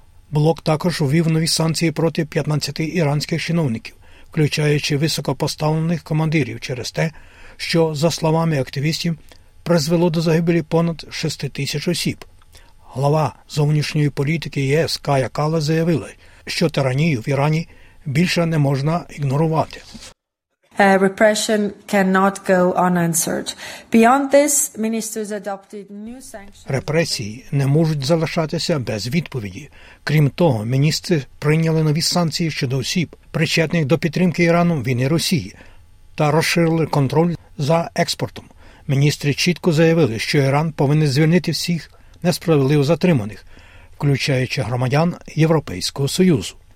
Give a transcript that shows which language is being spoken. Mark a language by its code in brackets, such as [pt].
[uk] Блок також ввів нові санкції проти 15 іранських чиновників, включаючи високопоставлених командирів через те, що, за словами активістів, призвело до загибелі понад 6 тисяч осіб. Глава зовнішньої політики ЄС Кая Кала заявила, що тиранію в Ірані більше не можна ігнорувати. [en] Repression cannot go unanswered. Beyond this, ministers adopted new sanctions. [uk] Репресії не можуть залишатися без відповіді. Крім того, міністри прийняли нові санкції щодо осіб, причетних до підтримки Ірану, війни Росії, та розширили контроль за експортом. Міністри чітко заявили, що Іран повинен звільнити всіх несправедливо затриманих, включаючи громадян Європейського Союзу.